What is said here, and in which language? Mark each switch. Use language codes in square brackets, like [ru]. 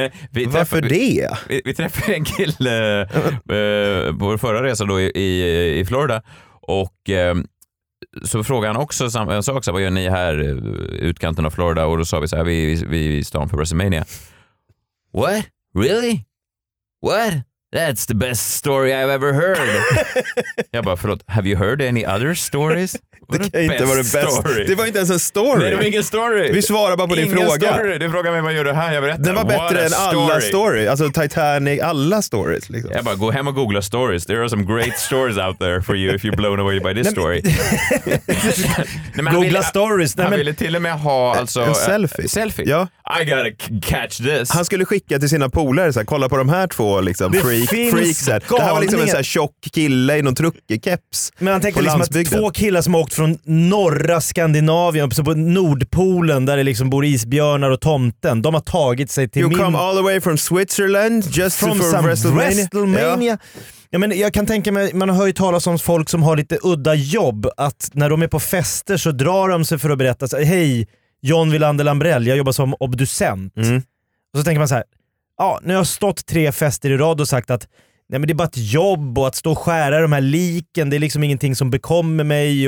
[sv] Vi träffade en kille på vår förra resa då i Florida, och så frågade han också en sak, vad gör ni här i utkanten av Florida? Och då sa vi så här, vi är i stan för WrestleMania. [en] What? Really? What? That's the best story I've ever heard. [sv] Jag bara, förlåt, [en] have you heard any other stories? [sv] Det kan inte vara det bästa. Det var inte ens en story. Nej, det var ingen story. Vi svarar bara på ingen din fråga. Story. Du frågar mig, vad gör du här? Jag berättar. Det var bättre än alla stories. Alltså Titanic, alla stories. Liksom. Jag bara, gå hem och googla stories. [en] There are some great stories out there for you if you're blown away by this story. [sv] Nej, men googla ville, stories. Han ville till och med ha alltså, en selfie. Selfie. Ja. [en] I gotta catch this. [sv] Han skulle skicka till sina polare, så här, kolla på de här två liksom. Det här var liksom en sån här tjock kille i någon truckekeps. Men han tänker liksom landsbygden. Att två killar som åkt från norra Skandinavien upp på Nordpolen, där det liksom bor isbjörnar och tomten, de har tagit sig till [en] you [sv] min... [en] You come all the way from Switzerland just from for WrestleMania. WrestleMania. [sv] Ja. Ja, men jag kan tänka mig, man har ju talat om folk som har lite udda jobb, att när de är på fester så drar de sig för att berätta, så hej, John Wilander Lambrell, jag jobbar som obducent. Mm. Och så tänker man så här, ja, nu har jag stått tre fester i rad och sagt att nej, men det är bara ett jobb, och att stå och skära de här liken, det är liksom ingenting som bekommer mig.